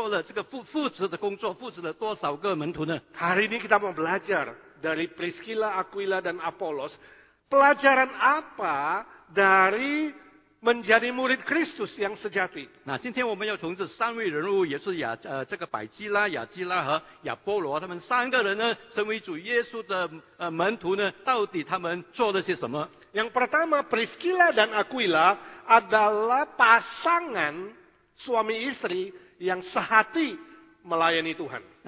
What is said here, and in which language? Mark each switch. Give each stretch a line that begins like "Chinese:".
Chinese: 那当你跟耶稣这么久，你已经做了这个复制的工作，复制了多少个门徒呢？
Indonesian: Hari ini kita mau belajar dari Priscilla, Aquila, dan Apollos, pelajaran apa dari menjadi murid Kristus yang sejati.
Chinese: 那今天我们要从这三位人物，也是这个百基拉、亚基拉和亚波罗，他们三个人呢，身为主耶稣的门徒呢，到底他们做了些什么？
Indonesian: Yang pertama, Priscilla dan Aquila adalah pasangan suami istri yang sehati melayani Tuhan.